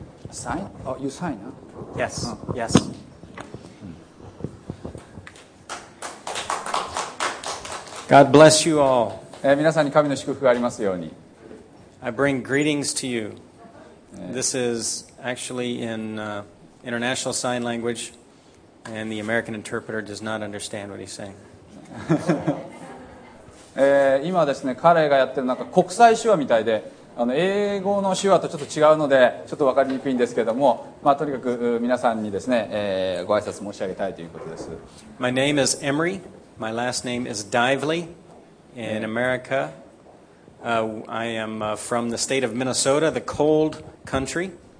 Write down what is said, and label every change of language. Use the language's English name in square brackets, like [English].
[English] Sign? Oh, you sign, huh? Yes, oh. Yes. God bless you all. [Japanese] 皆さんに神の祝福がありますように。 [English] I bring greetings to you. This is actually in international sign language, and the American interpreter does not understand what he's saying. [Japanese] 今ですね、彼がやってるなんか国際手話みたいで、英語の手話とちょっと違うのでちょっと分かりにくいんですけれども、まあ、とにかく皆さんにですね、ご挨拶申し上げたいということです。 [English] My name is Emery. My last name is Dively. In America, I am from the state of Minnesota, the cold country.